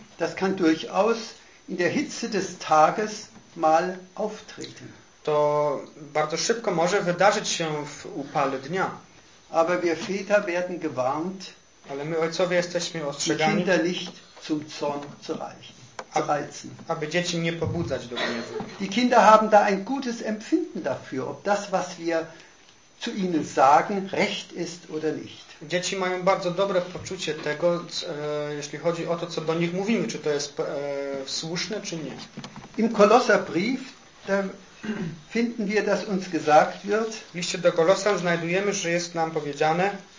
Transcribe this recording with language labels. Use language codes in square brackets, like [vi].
[de] Das kann durchaus in der Hitze des Tages mal auftreten. [pl] To bardzo szybko może wydarzyć się w upale dnia. [de] Aber wir Väter werden gewarnt, [pl] ale my ojcowie jesteśmy ostrzegani, [de] die Kinder nicht zum Zorn zu reizen. [pl] Aby dzieci nie pobudzać do gniewu. [de] Die Kinder haben da ein gutes Empfinden dafür, ob das, was wir zu ihnen sagen, recht ist oder nicht. [pl] Dzieci mają bardzo dobre poczucie tego, jeśli chodzi o to, co do nich mówimy, czy to jest słuszne, czy nie. [de] Im Kolosserbrief finden wir, dass uns gesagt wird, [pl] w liście do Kolosan znajdujemy, że jest nam powiedziane,